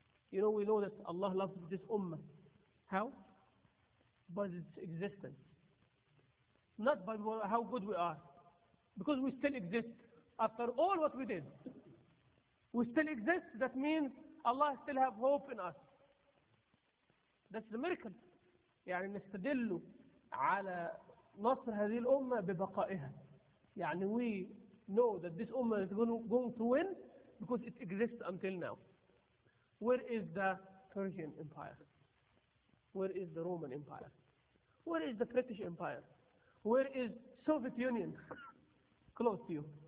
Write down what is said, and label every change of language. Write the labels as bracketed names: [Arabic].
[English] You know we know that Allah loves this ummah. How? By its existence. Not by how good we are. Because we still exist after all what we did. We still exist, that means Allah still have hope in us. That's the miracle. [Arabic] يعني نستدل على نصر هذه الأمة ببقائها. [English] يعني we know that this ummah is going to win because it exists until now. Where is the Persian Empire? Where is the Roman Empire? Where is the British Empire? Where is Soviet Union? Close to you.